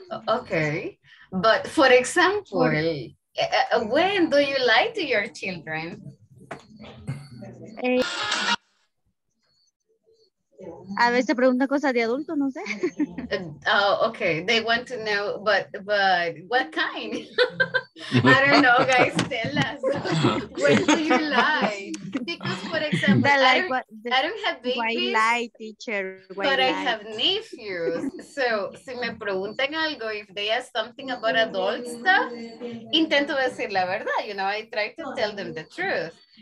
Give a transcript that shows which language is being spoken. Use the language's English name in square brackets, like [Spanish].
[English] Okay, but for example, when do you lie to your children? [Spanish] A veces pregunta cosas de adulto, no sé. [English] Okay, they want to know, but what kind? I don't know, guys, tell us. When do you lie? because, for example, I don't have babies, but I have nephews. So, [Spanish] si me preguntan algo, [English] if they ask something about adult stuff, [Spanish] intento decir la verdad, [English] you know, I try to tell them the truth.